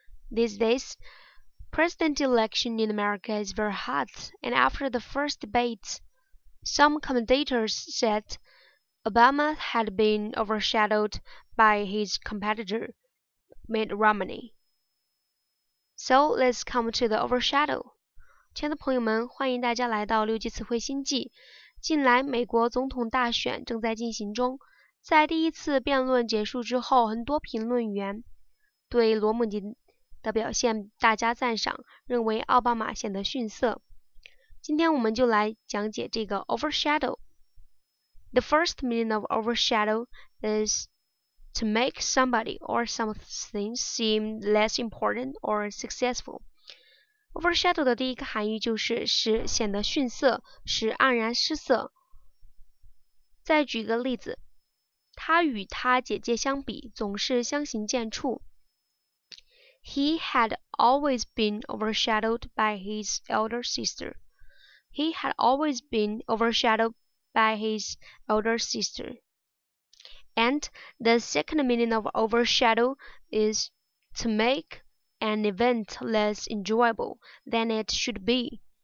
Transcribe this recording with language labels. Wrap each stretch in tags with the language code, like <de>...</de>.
<en>These days, president election in America is very hot, and after the first debate, some commentators said Obama had been overshadowed by his competitor, Mitt Romney. So let's come to the overshadow.</en> <zh>亲爱的朋友们，欢迎大家来到六级词汇星际。近来，美国总统大选正在进行中。在第一次辩论结束之后，很多评论员对罗姆尼的表现大加赞赏，认为奥巴马显得逊色。今天我们就来讲解这个</zh> <en>overshadow。The first meaning of overshadow is to make somebody or something seem less important or successful.</en> <zh>Overshadow 的第一个含义就是使显得逊色，使黯然失色。再举个例子。他与他姐姐相比总是相形见绌。</zh> <en>He had always been overshadowed by his elder sister. He had always been overshadowed by his elder sister. And the second meaning of overshadow is to make an event less enjoyable than it should be.</en>